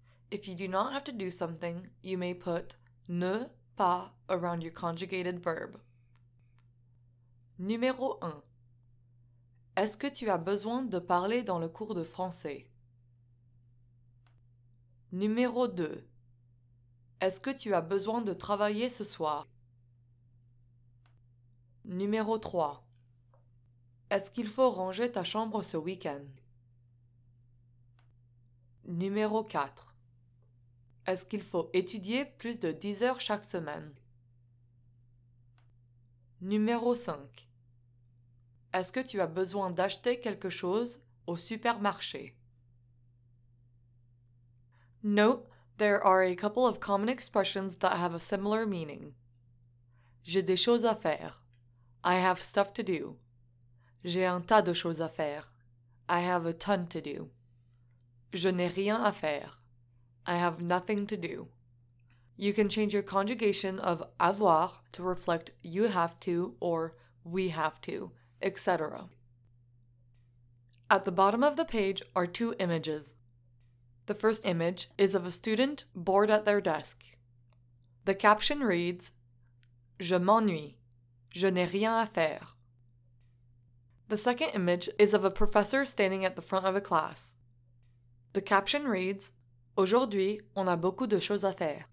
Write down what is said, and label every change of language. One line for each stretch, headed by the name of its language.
English: If you do not have to do something, you may put ne pas around your conjugated verb.
French: Numéro 1. Est-ce que tu as besoin de parler dans le cours de français? Numéro 2. Est-ce que tu as besoin de travailler ce soir? Numéro 3. Est-ce qu'il faut ranger ta chambre ce week-end? Numéro 4. Est-ce qu'il faut étudier plus de 10 heures chaque semaine? Numéro 5. Est-ce que tu as besoin d'acheter quelque chose au supermarché?
English: Note, there are a couple of common expressions that have a similar meaning.
French: J'ai des choses à faire.
English: I have stuff to do.
French: J'ai un tas de choses à faire.
English: I have a ton to do.
French: Je n'ai rien à faire.
English: I have nothing to do. You can change your conjugation of avoir to reflect you have to or we have to, etc. At the bottom of the page are two images. The first image is of a student bored at their desk. The caption reads,
French: Je m'ennuie. Je n'ai rien à faire.
English: The second image is of a professor standing at the front of a class. The caption reads,
French: Aujourd'hui, on a beaucoup de choses à faire.